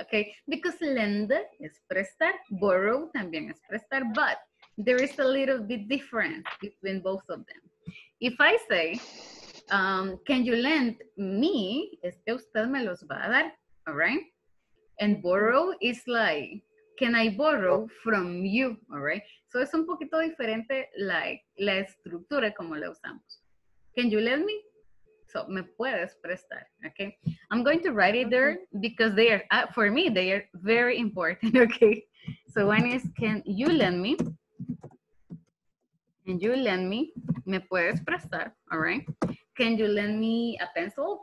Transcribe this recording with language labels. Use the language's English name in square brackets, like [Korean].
[English] Okay, because lend is prestar, borrow [Spanish] también es prestar, [English] but there is a little bit different between both of them. If I say, can you lend me, [Spanish] es que usted me los va a dar, [English] all right? And borrow is like, can I borrow from you, all right? [Spanish] So es un poquito diferente, like, la estructura como la usamos. [English] Can you lend me? So, [Spanish] me puedes prestar, [English] okay? I'm going to write it there because they are, for me, they are very important, okay? So one is, can you lend me? Can you lend me? [Spanish] Me puedes prestar, [English] all right? Can you lend me a pencil?